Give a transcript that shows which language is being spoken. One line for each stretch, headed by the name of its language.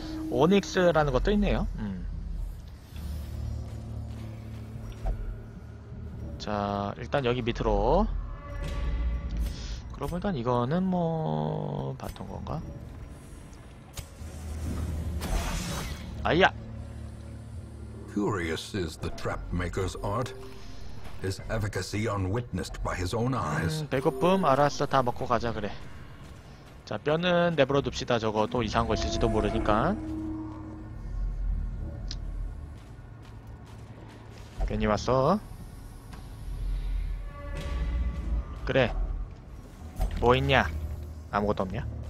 Korean: 오닉스라는 것도 있네요. 자, 일단 여기 밑으로. 그럼 일단 이거는 뭐 봤던 건가? 아야.
English: Curious is the trap maker's art. His efficacy unwitnessed by his own eyes.
Korean: 배고픔, 알았어, 다 먹고 가자 그래. 자, 뼈는 내버려 둡시다. 저거 또 이상한 거 있을지도 모르니까. 괜히 왔어. 그래. 뭐 있냐? 아무것도 없냐?